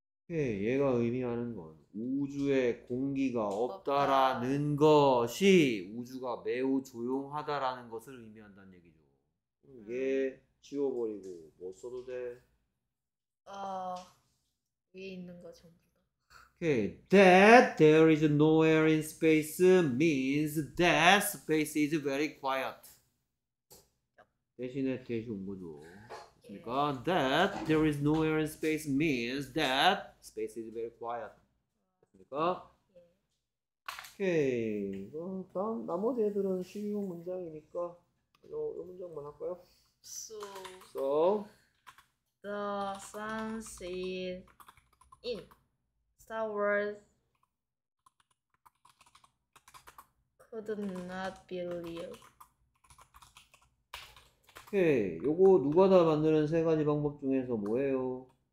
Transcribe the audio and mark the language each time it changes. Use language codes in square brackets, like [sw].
[ko] 예, 얘가 의미하는 건 우주에 공기가 없다. 없다라는 것이 우주가 매우 조용하다라는 것을 의미한다는 얘기죠. 얘 지워버리고 뭐 써도 돼? 위에 있는 거 전부 다. [en] Okay. That there is no air in space means that space is very quiet. [ko] 대신에 대시 온 거죠. 그러니까 [en] that there is no air in space means that space is very quiet. [ko] 그러니까 오케이. 나머지 애들은 쉬운 문장이니까 요 문장만 할까요? [en] So, So the sun is in Star Wars could not be real. [ko] 오케이, 요거 누가 다 만드는 세 가지 방법 중에서 뭐예요?